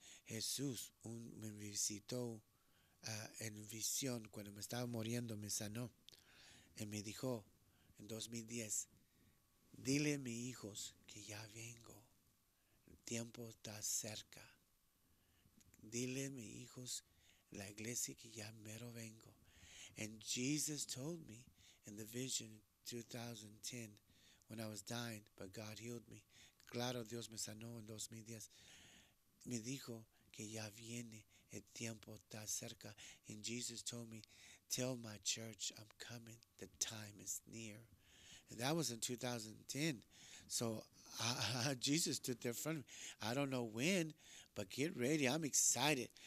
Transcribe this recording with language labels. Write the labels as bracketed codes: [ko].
[es] Jesús me visitó en visión cuando me estaba muriendo, me sanó. Y me dijo en 2010, dile a mis hijos que ya vengo. El tiempo está cerca. Dile a mis hijos la iglesia que ya mero vengo. [en] And Jesus told me in the vision 2010 when I was dying, but God healed me. [es] Claro, Dios me sanó en 2010. Me dijo que ya viene, el tiempo está cerca. [en] And Jesus told me, tell my church I'm coming, the time is near. And that was in 2010. So Jesus stood there in front of me. I don't know when, but get ready, I'm excited.